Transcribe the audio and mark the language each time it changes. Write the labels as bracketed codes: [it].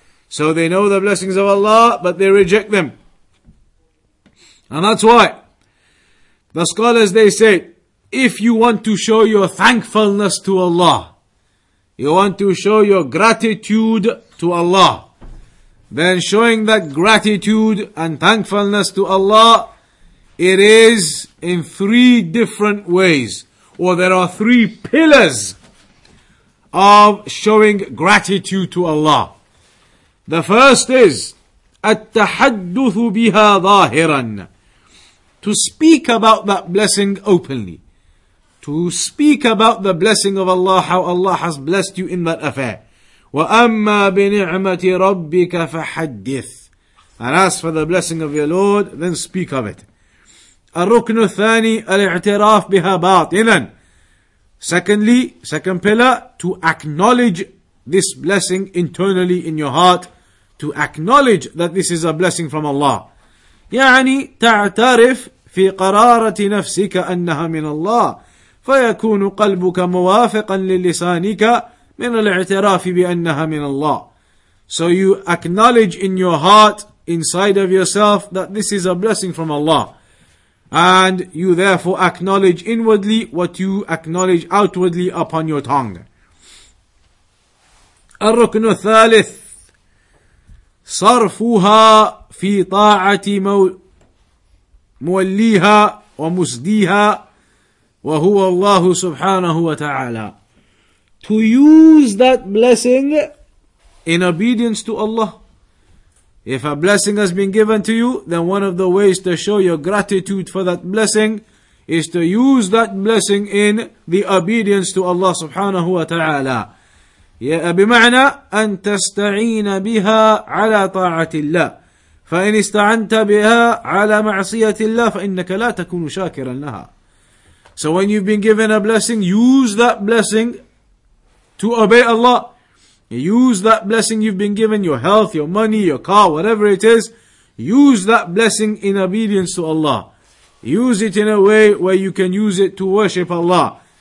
[en] So they know the blessings of Allah, but they reject them. And that's why the scholars, they say, if you want to show your thankfulness to Allah, you want to show your gratitude to Allah, then showing that gratitude and thankfulness to Allah, it is in three different ways. Or there are three pillars of showing gratitude to Allah. The first is, [ar] التحدث بها ظاهرا. [en] To speak about that blessing openly. To speak about the blessing of Allah, how Allah has blessed you in that affair. [ar] وَأَمَّا بِنِعْمَةِ رَبِّكَ فَحَدِّثْ. [en] And as for the blessing of your Lord, then speak of it. [ar] الرُّكْنُ الثَّانِي الْاِعْتِرَافْ بِهَا بَاطِنًا. [en] Secondly, second pillar, to acknowledge this blessing internally in your heart, to acknowledge that this is a blessing from Allah. [ar] يعني تعترف في قرارة نفسك أنها من الله فيكون قلبك موافقا للسانك من الاعتراف بأنها من الله. [en] So you acknowledge in your heart, inside of yourself, that this is a blessing from Allah. And you therefore acknowledge inwardly what you acknowledge outwardly upon your tongue. [ar] الركن الثالث صرفها في طاعة موليها ومسديها وهو الله سبحانه وتعالى. [en] To use that blessing in obedience to Allah. If a blessing has been given to you, then one of the ways to show your gratitude for that blessing is to use that blessing in the obedience to Allah subhanahu wa ta'ala. [ar] بمعنى أن تستعين بها على طاعة الله فإن استعنت بها على معصية الله فإنك لا تكون شاكرا لها. [en] So when you've been given a blessing, use that blessing to obey Allah. Use that blessing you've been given, your health, your money, your car, whatever it is, use that blessing in obedience to Allah. Use it in a way where you can use it to worship Allah.